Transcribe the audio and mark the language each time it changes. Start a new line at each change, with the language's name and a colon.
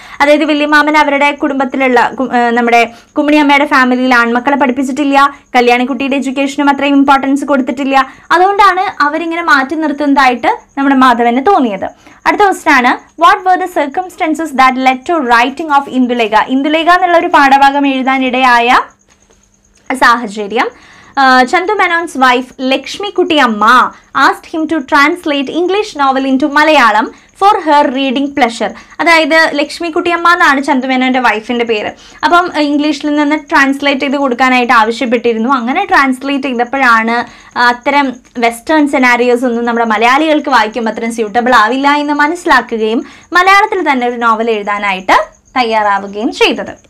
Malayalam: അതായത് വല്യമാമൻ അവരുടെ കുടുംബത്തിലുള്ള നമ്മുടെ കുമ്മിണി അമ്മയുടെ ഫാമിലിയിൽ ആൺമക്കളെ പഠിപ്പിച്ചിട്ടില്ല, കല്യാണിക്കുട്ടിയുടെ എഡ്യൂക്കേഷനും അത്രയും ഇമ്പോർട്ടൻസ് കൊടുത്തിട്ടില്ല. അതുകൊണ്ടാണ് അവരിങ്ങനെ മാറ്റി നിർത്തുന്നതായിട്ട് നമ്മുടെ മാധവന് തോന്നിയത്. അടുത്ത ക്വസ്റ്റ്യനാണ്
English: What were the circumstances that led to writing of Indulekha?
Malayalam: Indulekha എന്നുള്ള ഒരു പാഠഭാഗം എഴുതാനിടയായ സാഹചര്യം,
English: Chandumenon's wife Lakshmi Kutty Amma asked him to translate English novel into Malayalam for her reading pleasure.
Malayalam: അതായത് ലക്ഷ്മി കുട്ടിയമ്മ എന്നാണ് ചന്ദുമേനോന്റെ വൈഫിന്റെ പേര്. അപ്പം ഇംഗ്ലീഷിൽ നിന്ന് ട്രാൻസ്ലേറ്റ് ചെയ്ത് കൊടുക്കാനായിട്ട് ആവശ്യപ്പെട്ടിരുന്നു. അങ്ങനെ ട്രാൻസ്ലേറ്റ് ചെയ്തപ്പോഴാണ് അത്തരം വെസ്റ്റേൺ സെനാരിയോസ് ഒന്നും നമ്മുടെ മലയാളികൾക്ക് വായിക്കുമ്പോൾ അത്രയും സ്യൂട്ടബിൾ ആവില്ല എന്ന് മനസ്സിലാക്കുകയും മലയാളത്തിൽ തന്നെ ഒരു നോവൽ എഴുതാനായിട്ട് തയ്യാറാവുകയും ചെയ്തത്.